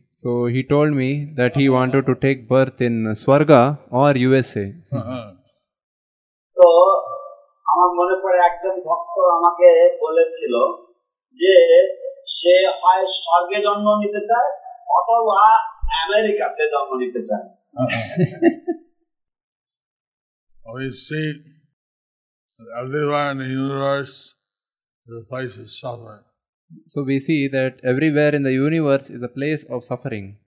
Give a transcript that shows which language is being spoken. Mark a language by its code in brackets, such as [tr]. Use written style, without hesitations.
[en] So he told me that he wanted to take birth in Swarga or USA. [bn] So, আমার মনে পড়ে একজন ভক্ত আমাকে বলেছিল যে সে হয় স্বর্গে জন্ম নিতে চায় অথবা আমেরিকাতে জন্ম নিতে চায়। [en] We see that everywhere in the universe is a place of suffering. So we see that everywhere in the universe is a place of suffering.